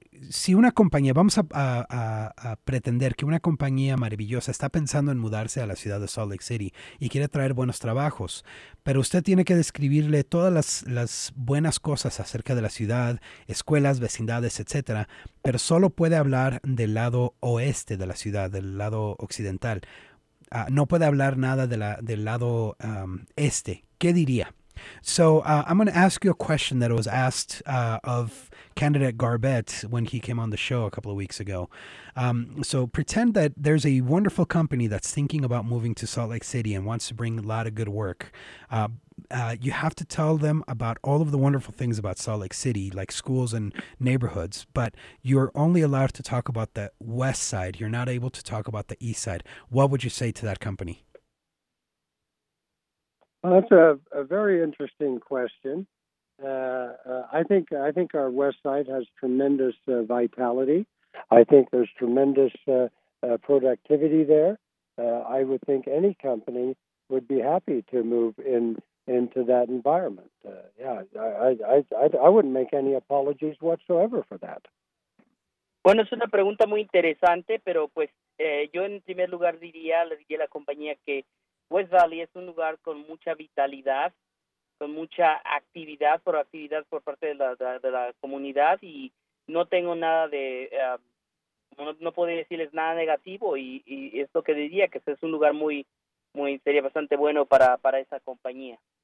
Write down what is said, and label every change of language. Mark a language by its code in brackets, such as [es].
[es] Si una compañía, vamos a pretender que una compañía maravillosa está pensando en mudarse a la ciudad de Salt Lake City y quiere traer buenos trabajos, pero usted tiene que describirle todas las buenas cosas acerca de la ciudad, escuelas, vecindades, etcétera, pero solo puede hablar del lado oeste de la ciudad, del lado occidental. No puede hablar nada del lado este. ¿Qué diría? [en] So I'm going to ask you a question that was asked of candidate Garbett when he came on the show a couple of weeks ago. So pretend that there's a wonderful company that's thinking about moving to Salt Lake City and wants to bring a lot of good work. You have to tell them about all of the wonderful things about Salt Lake City, like schools and neighborhoods, but you're only allowed to talk about the west side. You're not able to talk about the east side. What would you say to that company? Well, that's a very interesting question. I think our west side has tremendous vitality. I think there's tremendous productivity there. I would think any company would be happy to move into that environment. I wouldn't make any apologies whatsoever for that. [es] Bueno, es una pregunta muy interesante, pero pues yo en primer lugar le diría a la compañía que West Valley es un lugar con mucha vitalidad, con mucha actividad, proactividad por parte de la comunidad, y no tengo nada de, no puedo decirles nada negativo, y es lo que diría, que es un lugar muy, muy, sería bastante bueno para esa compañía.